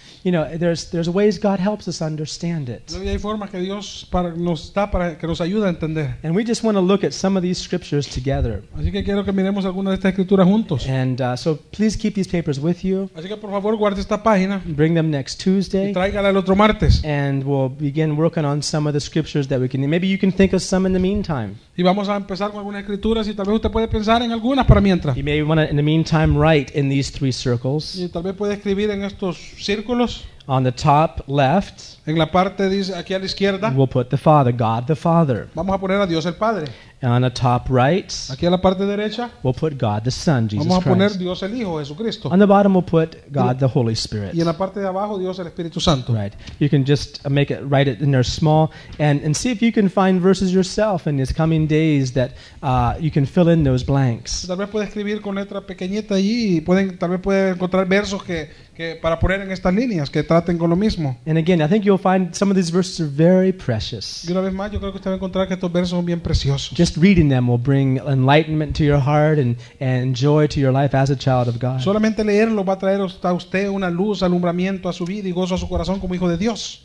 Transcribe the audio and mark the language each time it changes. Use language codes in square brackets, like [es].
[en] You know, there's ways God helps us understand it. And we just want to look at some of these scriptures together. [es] Así que quiero que miremos alguna de estas escrituras juntos. [en] And so please keep these papers with you. [es] Así que por favor guarde esta página. [en] Bring them next Tuesday. [es] Y tráigala el otro martes. [en] And we'll begin working on some of the scriptures that we can. Maybe you can think of some in the meantime. [es] Y vamos a empezar con algunas escrituras y tal vez usted puede pensar en algunas para mientras. [en] You may want to, in the meantime, write in these three circles. [es] Y tal vez puede escribir dividir en estos círculos. [en] On the top left, [es] en la parte dice aquí a la izquierda, [en] we'll put the Father, God the Father. [es] Vamos a poner a Dios el Padre. [en] And on the top right, [es] aquí a la parte derecha, [en] we'll put God the Son, Jesus [es] vamos a poner [en] Christ. [es] Dios el Hijo, Jesucristo. [en] On the bottom, we'll put God the Holy Spirit. [es] Y en la parte de abajo, Dios el Espíritu Santo. [en] Right. You can just make it, write it in there small, and see if you can find verses yourself in these coming days that you can fill in those blanks. [es] Tal vez puede escribir con letra pequeñita allí, y pueden, tal vez puede encontrar versos que. Para poner en estas líneas, que traten con lo mismo. [en] And again, I think you'll find some of these verses are very precious. [es] Y una vez más, yo creo que usted va a encontrar que estos versos son bien preciosos. [en] Just reading them will bring enlightenment to your heart and joy to your life as a child of God. [es] Solamente leerlo va a traer a usted una luz, alumbramiento a su vida y gozo a su corazón como hijo de Dios.